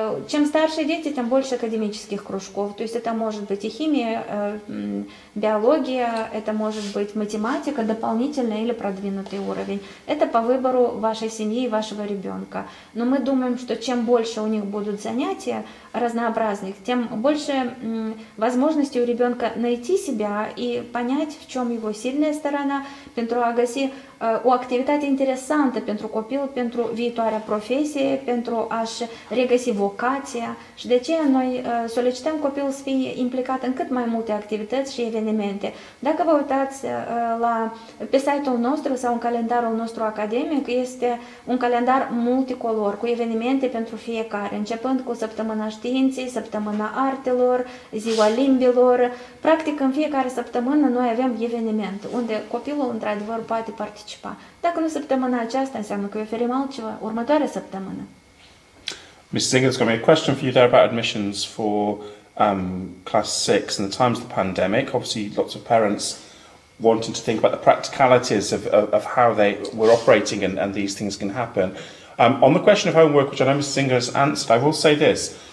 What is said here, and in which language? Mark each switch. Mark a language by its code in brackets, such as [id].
[ru] Чем старше дети, тем больше академических кружков. То есть это может быть и химия, биология, это может быть математика, дополнительный или продвинутый уровень. Это по выбору вашей семьи и вашего ребенка. Но мы думаем, что чем больше у них будут занятия разнообразных, тем больше возможностей у ребенка найти себя и понять, в чем его сильная сторона. [ro] Pentru a găsi o activitate interesantă pentru copil, pentru viitoarea profesie, pentru a-și regăsi vocația. Și de aceea noi solicităm copilul să fie implicat în cât mai multe activități și evenimente. Dacă vă uitați pe site-ul nostru sau în calendarul nostru academic, este un calendar multicolor, cu evenimente pentru fiecare, începând cu săptămâna științei, săptămâna artelor, ziua limbilor. Practic, în fiecare săptămână noi avem eveniment unde copilul într-adevăr poate participa. Dacă nu săptămâna aceasta, înseamnă că oferim altceva următoarea săptămână. [en] Ms. Singer, there's going to be a question for you there about admissions for class 6 in the times of the pandemic. Obviously, lots of parents wanting to think about the practicalities of how they were operating and these things can happen. On the question of homework, which I know Ms. Singer has answered, I will say this.